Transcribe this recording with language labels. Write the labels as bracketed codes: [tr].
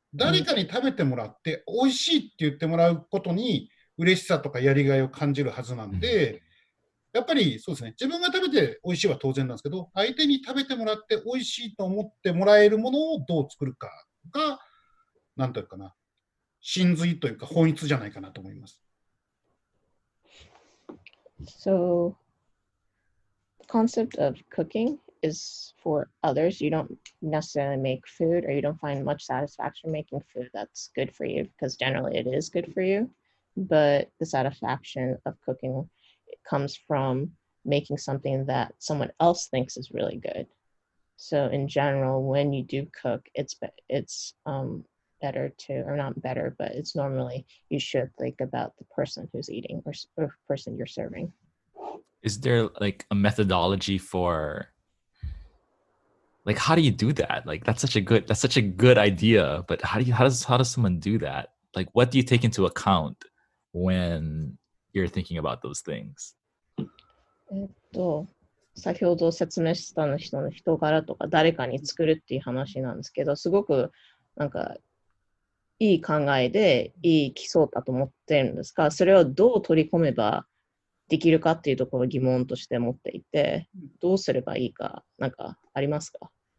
[ja] 誰かに食べてもらって美味しいって言ってもらうことに嬉しさとかやりがいを感じるはずなんで、やっぱりそうですね、自分が食べて美味しいは当然なんですけど、相手に食べてもらって美味しいと思ってもらえるものをどう作るかが、なんというかな、真髄というか本質じゃないかなと思います。 [en] So, the concept of cooking is for others. You don't necessarily make food, or you don't find much satisfaction making food that's good for you, because generally it is good for you. But the satisfaction of cooking, it comes from making something that someone else thinks is really good. So in general, when you do cook, it's normally you should think about the person who's eating or person you're serving. Is there like a methodology for, like, how do you do that? Like, that's such a good idea, but how does someone do that? Like, what do you take into account when you're thinking about those things? [ja] 先ほど説明した人の人柄とか誰かに作るっていう話なんですけど、すごくなんかいい考えでいい基礎だと思ってるんですが、それをどう取り込めばできるかっていうところを疑問として持っていて、どうすればいいか、なんかありますか？